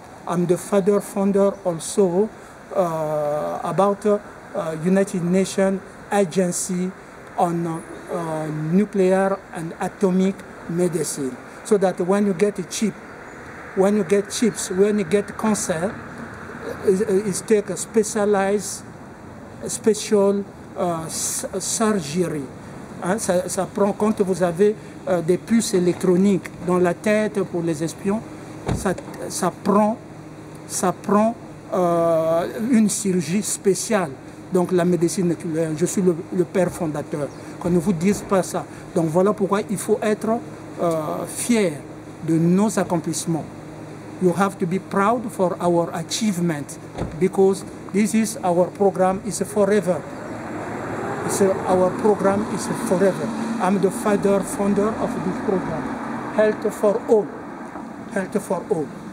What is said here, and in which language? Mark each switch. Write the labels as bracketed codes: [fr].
[en] I'm the founder also about United Nations Agency on Nuclear and Atomic Medicine. So that when you get a chip, when you get chips, when you get cancer, it take a special surgery. [fr] Ça prend quand vous avez des puces électroniques dans la tête pour les espions, ça prend une chirurgie spéciale. Donc la médecine nucléaire, je suis le père fondateur. Qu'on ne vous dise pas ça. Donc voilà pourquoi il faut être fier de nos accomplissements. [en] You have to be proud for our achievement, because this is our program is forever. Our program is forever. I'm the founder of this program. Health for all. Health for all.